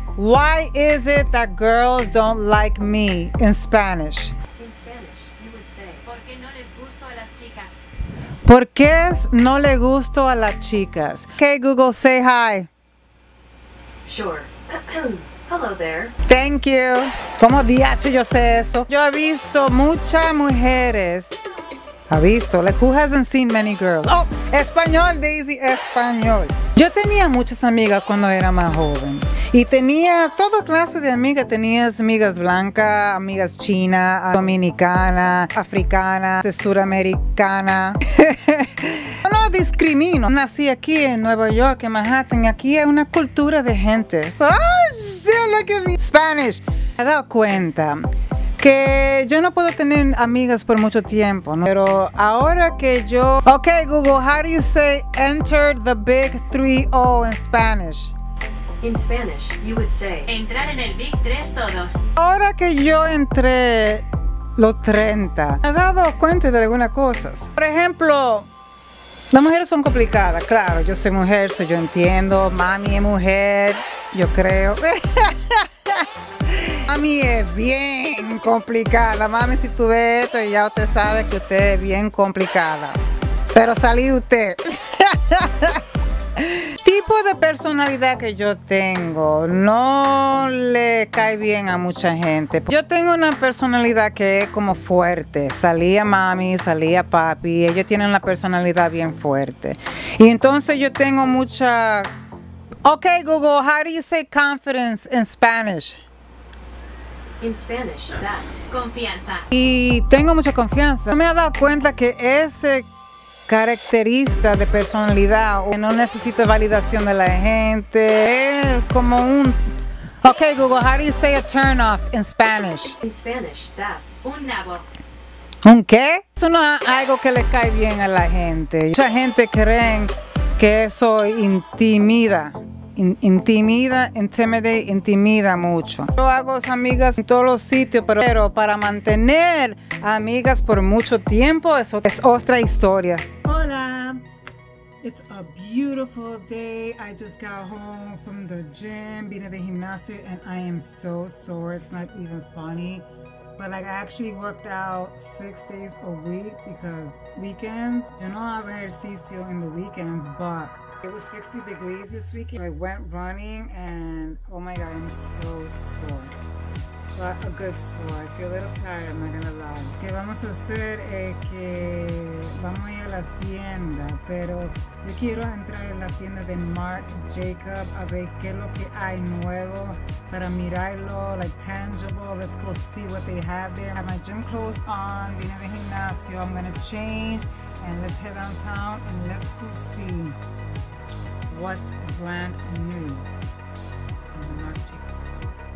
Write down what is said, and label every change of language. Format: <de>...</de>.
<en>Why is it that girls don't like me in Spanish? In Spanish, you would say,</en> <es>¿por qué no les gusto a las chicas? ¿Por qué no le gusto a las chicas?</es> <en>Okay, Google, say hi. Sure. Hello there. Thank you.</en> <es>¿Cómo diacho yo sé eso? Yo he visto muchas mujeres. ¿Ha visto?</es> <en>Like, who hasn't seen many girls? Oh,</en> <es>español, Daisy, español. Yo tenía muchas amigas cuando era más joven. Y tenía toda clase de amigas. Tenía amigas blancas, amigas chinas, dominicanas, africanas, suramericana. No discrimino. Nací aquí en Nueva York, en Manhattan. Aquí es una cultura de gente.</es> <en>Oh, shit, look at me. Spanish.</en> <es>Me he dado cuenta que yo no puedo tener amigas por mucho tiempo, ¿no? Pero ahora que yo...</es> <en>Ok, Google, how do you say enter the big 3-0 in Spanish? In Spanish, you would say</en> <es>entrar en el</es> <en>big 3 todos.</en> <es>Ahora que yo entré los 30, me he dado cuenta de algunas cosas. Por ejemplo, las mujeres son complicadas. Claro, yo soy mujer, so yo entiendo. Mami es mujer, yo creo. Mami es bien complicada. Mami, si tú ves esto, ya usted sabe que usted es bien complicada. Pero salí usted. Tipo de personalidad que yo tengo no le cae bien a mucha gente. Yo tengo una personalidad que es como fuerte. Salí a mami, salí a papi. Ellos tienen la personalidad bien fuerte. Y entonces yo tengo mucha...</es> <en>Ok, Google, how do you say confidence in Spanish? In Spanish, that's confianza.</en> <es>Y tengo mucha confianza. Me he dado cuenta que ese característica de personalidad que no necesita validación de la gente es como un...</es> <en>Ok, Google, how do you say a turn off in Spanish? In Spanish, that's</en> <es>un nabo. ¿Un qué? Eso no es algo que le cae bien a la gente. Mucha gente cree que eso intimida. Intimida mucho. Yo hago amigas en todos los sitios, pero para mantener amigas por mucho tiempo es otra historia.</es> <en>Hola, it's a beautiful day. I just got home from the gym,</en> <es>vine de gimnasio,</es> <en>and I am so sore. It's not even funny. But like I actually worked out 6 days a week because weekends,</en> <es>yo no hago ejercicio en</es> <en>the weekends, but it was 60 degrees this weekend. I went running and oh my god, I'm so sore. But a good sore. I feel a little tired, I'm not gonna lie.</en> <es>Que vamos a hacer es que vamos a ir a la tienda, pero yo quiero entrar en la tienda de Marc Jacobs a ver qué es lo que hay nuevo para mirarlo,</es> <en>like tangible. Let's go see what they have there. I have my gym clothes on,</en> <es>vine de gimnasio,</es> <en>I'm gonna change and let's head downtown and let's go see what's brand new in the Marc Jacobs store.</en>